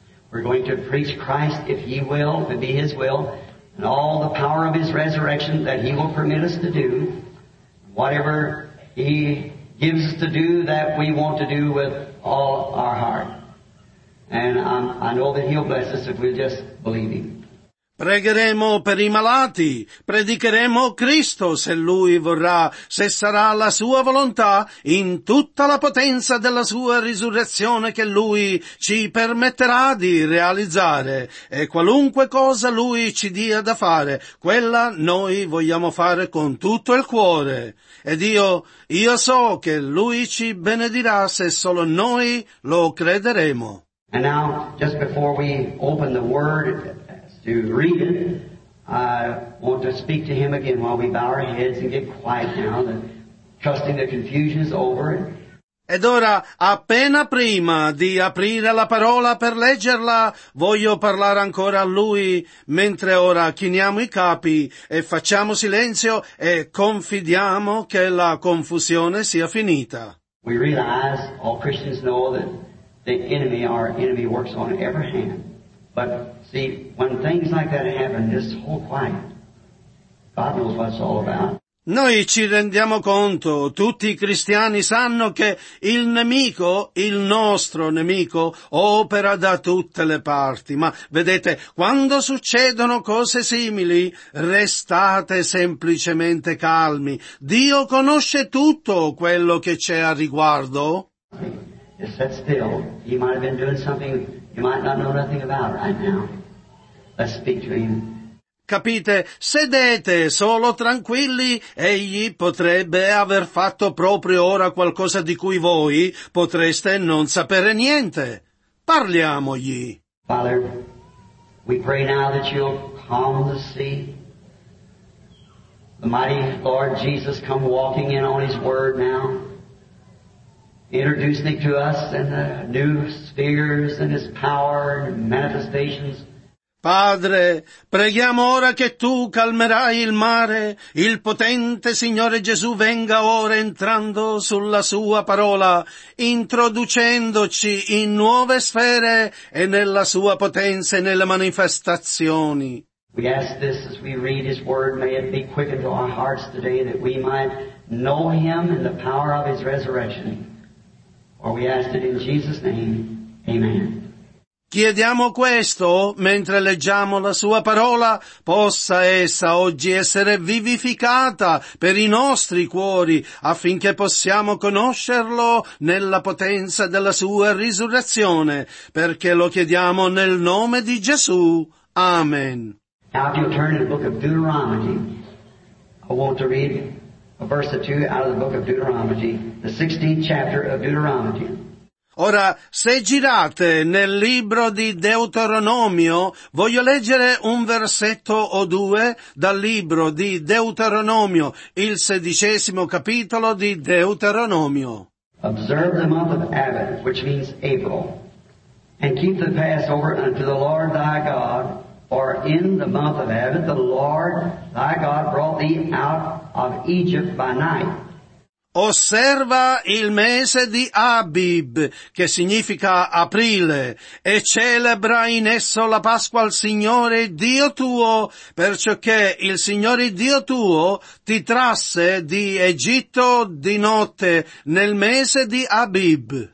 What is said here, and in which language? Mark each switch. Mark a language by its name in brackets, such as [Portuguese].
[English] We're going to preach Christ if He will, if it be His will, and all the power of His resurrection that He will permit us to do, whatever He gives us to do that we want to do with all our heart. And I know that He'll bless us if we'll just believe Him. [Italian] Pregheremo per i malati, predicheremo Cristo se Lui vorrà, se sarà la Sua volontà, in tutta la potenza della Sua risurrezione che Lui ci permetterà di realizzare. E qualunque cosa Lui ci dia da fare, quella noi vogliamo fare con tutto il cuore. Ed io so che Lui ci benedirà se solo noi lo crederemo. [English] And now, just before we open the word to read it, I want to speak to Him again while we bow our heads and get quiet now, trusting the confusion is over. [Italian] Ed ora, appena prima di aprire la parola per leggerla, voglio parlare ancora a Lui, mentre ora chiniamo i capi e facciamo silenzio e confidiamo che la confusione sia finita. [English] We realize, all Christians know, that the enemy, our enemy, works on every hand. But see, when things like that happen, this whole quiet, God knows what it's all about. [Italian] Noi ci rendiamo conto, tutti i cristiani sanno che il nemico, il nostro nemico, opera da tutte le parti. Ma vedete, quando succedono cose simili, restate semplicemente calmi. Dio conosce tutto quello che c'è a riguardo. [English] He sat still. He might have been doing something you might not know nothing about right now. Let's speak to Him. [Italian] Capite? Sedete solo tranquilli, egli potrebbe aver fatto proprio ora qualcosa di cui voi potreste non sapere niente. Parliamogli. [English] Father, we pray now that you'll calm the sea. The mighty Lord Jesus come walking in on His word now, introducing it to us in the new spheres and His power and manifestations. [Italian] Padre, preghiamo ora che Tu calmerai il mare, il potente Signore Gesù venga ora entrando sulla Sua parola, introducendoci in nuove sfere e nella Sua potenza e nelle manifestazioni. [English] We ask this as we read His word, may it be quickened to our hearts today that we might know Him and the power of His resurrection. For we ask it in Jesus' name, amen. [Italian] Chiediamo questo, mentre leggiamo la Sua parola, possa essa oggi essere vivificata per i nostri cuori, affinché possiamo conoscerlo nella potenza della Sua risurrezione, perché lo chiediamo nel nome di Gesù. Amen. [English] Now if you'll turn to the book of Deuteronomy, I want to read a verse or two out of the book of Deuteronomy, the 16th chapter of Deuteronomy. [Italian] Ora, se girate nel libro di Deuteronomio, voglio leggere un versetto o due dal libro di Deuteronomio, il 16° capitolo di Deuteronomio. [English] Observe the month of Abib, which means April, and keep the Passover unto the Lord thy God, for in the month of Abib the Lord thy God brought thee out of Egypt by night. [Italian] Osserva il mese di Abib, che significa aprile, e celebra in esso la Pasqua al Signore Dio tuo, perciocché il Signore Dio tuo ti trasse di Egitto di notte nel mese di Abib.